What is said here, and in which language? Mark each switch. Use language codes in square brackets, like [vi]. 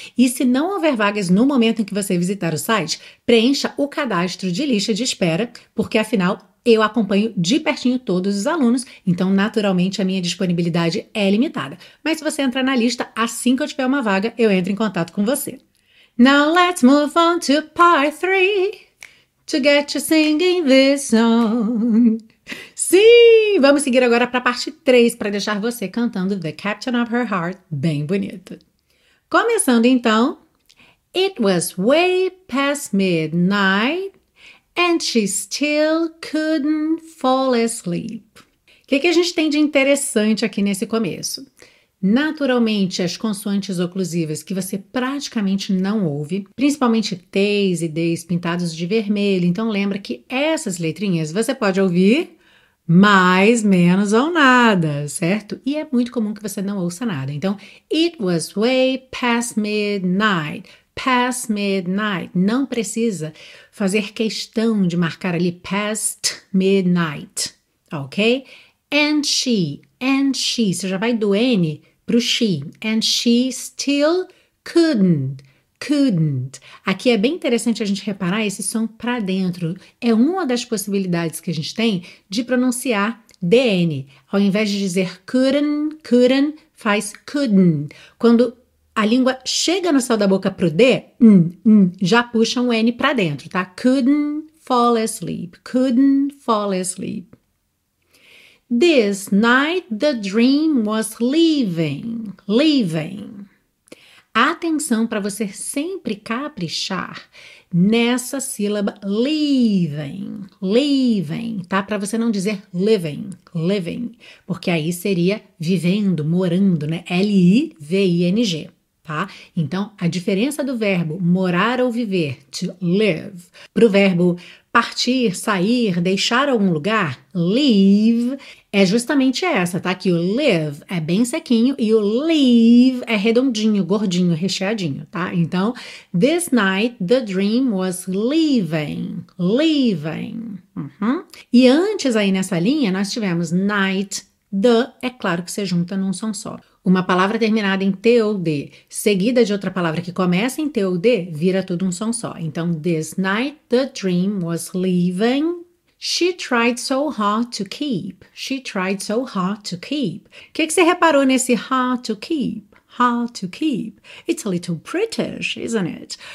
[pt] E se não houver vagas no momento em que você visitar o site, preencha o cadastro de lista de espera, porque afinal eu acompanho de pertinho todos os alunos, então naturalmente a minha disponibilidade é limitada. Mas se você entrar na lista, assim que eu tiver uma vaga, eu entro em contato com você. [en] Now let's move on to part three, to get you singing this song. [pt] Sim, vamos seguir agora para a parte 3, para deixar você cantando The Captain of Her Heart bem bonito. Começando então. [en] It was way past midnight and she still couldn't fall asleep. [pt] Que a gente tem de interessante aqui nesse começo? Naturalmente, as consoantes oclusivas que você praticamente não ouve, principalmente T's e D's pintados de vermelho. Então, lembra que essas letrinhas você pode ouvir mais, menos ou nada, certo? E é muito comum que você não ouça nada. Então, [en] it was way past midnight. Past midnight. [pt] Não precisa fazer questão de marcar ali [en] past midnight, [pt] ok? [en] And she. [pt] Você já vai do N pro she, [en] and she still couldn't. [pt] Aqui é bem interessante a gente reparar esse som para dentro. É uma das possibilidades que a gente tem de pronunciar DN. Ao invés de dizer couldn't, faz couldn't. Quando A língua chega no céu da boca pro D, já puxa um N para dentro, tá? [en] Couldn't fall asleep, couldn't fall asleep. This night the dream was leaving, leaving. [pt] Atenção para você sempre caprichar nessa sílaba [en] leaving, leaving, [pt] tá? Para você não dizer [en] living, living, [pt] porque aí seria vivendo, morando, né? L-I-V-I-N-G. Tá? Então, a diferença do verbo morar ou viver, to live, para o verbo partir, sair, deixar algum lugar, leave, é justamente essa, tá? Que o live é bem sequinho e o leave é redondinho, gordinho, recheadinho, tá? Então, [en] this night the dream was leaving, leaving. [pt] E antes aí nessa linha, nós tivemos night, the, é claro que se junta num som só. Uma palavra terminada em T ou D, seguida de outra palavra que começa em T ou D, vira tudo um som só. Então, [en] this night the dream was leaving. She tried so hard to keep. She tried so hard to keep. [pt] Que você reparou nesse [en] hard to keep? Hard to keep. It's a little British, isn't it?